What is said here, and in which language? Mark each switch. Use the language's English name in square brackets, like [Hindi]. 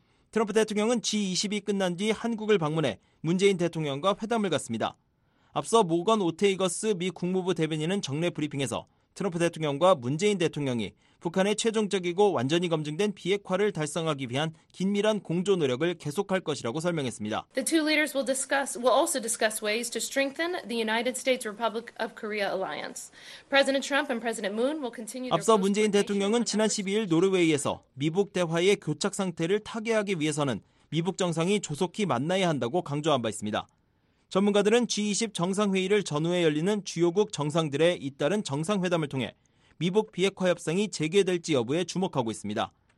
[Korean] 트럼프 대통령은 G20이 끝난 뒤 한국을 방문해 문재인 대통령과 회담을 갖습니다. 앞서 모건 오테이거스 미 국무부 대변인은 정례 브리핑에서 트럼프 대통령과 문재인 대통령이 북한의 최종적이고 완전히 검증된 비핵화를 달성하기 위한 긴밀한 공조 노력을 계속할 것이라고 설명했습니다. [English] The two leaders will also discuss ways to strengthen the United States Republic of Korea alliance. President Trump and President Moon will continue. [Korean] 앞서 문재인 대통령은 지난 12일 노르웨이에서 미북 대화의 교착 상태를 타개하기 위해서는 미북 정상이 조속히 만나야 한다고 강조한 바 있습니다. 전문가들은 G20 정상회의를 전후에 열리는 주요국 정상들의 잇따른 정상회담을 통해 미북 비핵화 협상이 재개될지 여부에 주목하고 있습니다.